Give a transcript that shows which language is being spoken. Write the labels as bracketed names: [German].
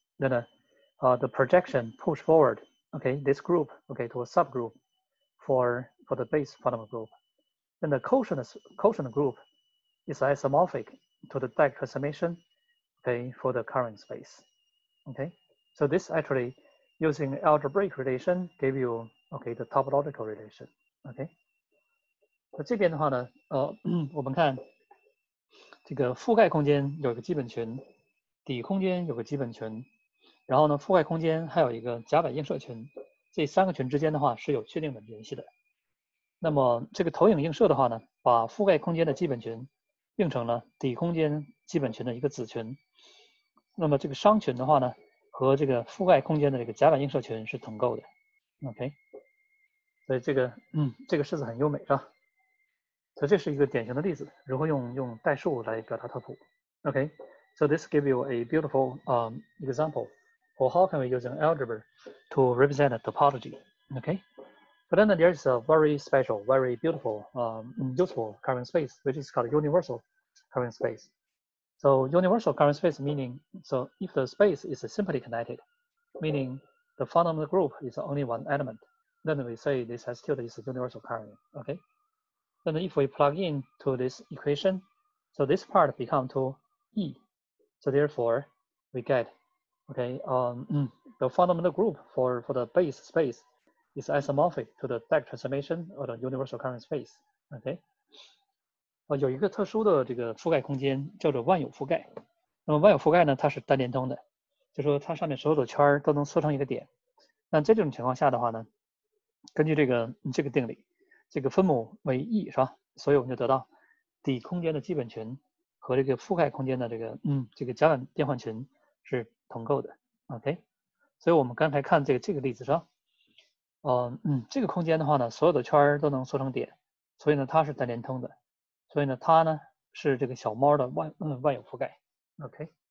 [English] Then the projection push forward,okay, this group, okay, to a subgroup for the base fundamental group. And the quotient group is isomorphic to the DAG transformation, okay, for the covering space, okay? So this actually, using algebraic relation, gave you, okay, the topological relation, okay? [Chinese] 那这边的话呢，我们看这个覆盖空间有一个基本群，底空间有个基本群，然后呢，覆盖空间还有一个甲板映射群，这三个群之间的话是有确定的联系的。那么这个投影映射的话呢，把覆盖空间的基本群并成了底空间基本群的一个子群。那么这个商群的话呢，和这个覆盖空间的这个甲板映射群是同构的。 OK， 所以这个式子很优美，是吧？所以这是一个典型的例子，如何用代数来表达特谱。 OK。 [English] So this gives you a beautiful example for how can we use an algebra to represent a topology, okay? But then there is a very special, very beautiful, useful covering space, which is called universal covering space. So universal covering space meaning, so if the space is simply connected, meaning the fundamental group is only one element, then we say this S tilde is a universal covering, okay? Then if we plug in to this equation, so this part become to E,So therefore, we get, okay, the fundamental group for the base space is isomorphic to the DAG transformation of the universal covering space, okay? [Chinese] 有一个特殊的这个覆盖空间叫做万有覆盖。那么万有覆盖呢，它是单联通的，就说它上面所有的圈都能缩成一个点。那在这种情况下的话呢，根据这个定理，这个分母为 E 是吧？所以我们就得到底空间的基本群。和这个覆盖空间的这个甲板变换群是同构的 ，OK， 所以我们刚才看这个例子上，这个空间的话呢，所有的圈都能缩成点，所以呢它是单联通的，所以呢它呢是这个小猫的万有覆盖 ，OK。